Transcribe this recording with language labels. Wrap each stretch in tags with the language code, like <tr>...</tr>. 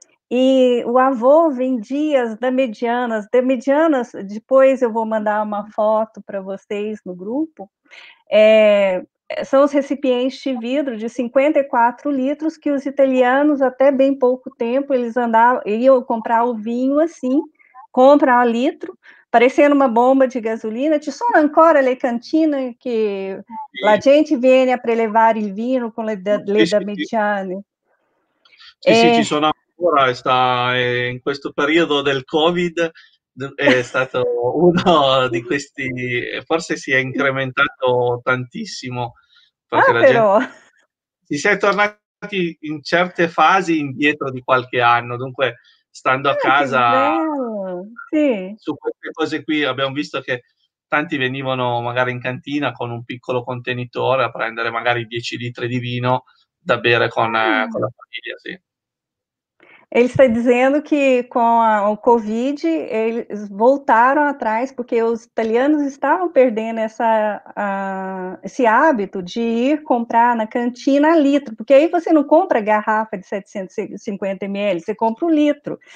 <pt>E o avô vendia as damedianas. Damedianas, depois eu vou mandar uma foto para vocês no grupo. São os recipientes de vidro de 54 litros que os italianos, até bem pouco tempo, eles andavam, iam comprar o vinho assim, compra a litro, parecendo uma bomba de gasolina.</pt> <it>Ci sono ancora le cantine che la gente viene a prelevare il vino con le damigiane. Sì, ci sono ancora. In questo periodo del Covid è stato uno di questi, forse si è incrementato tantissimo, perché la gente Però si è tornati in certe fasi indietro di qualche anno. Dunque, stando a che casa bello, sì. su queste cose qui, abbiamo visto che tanti venivano magari in cantina con un piccolo contenitore a prendere magari 10 litri di vino da bere con la famiglia, sì.</it> <pt>Ele está dizendo que com o Covid eles voltaram atrás, porque os italianos estavam perdendo esse hábito de ir comprar na cantina a litro, porque aí você não compra garrafa de 750 ml, você compra o um litro.</pt>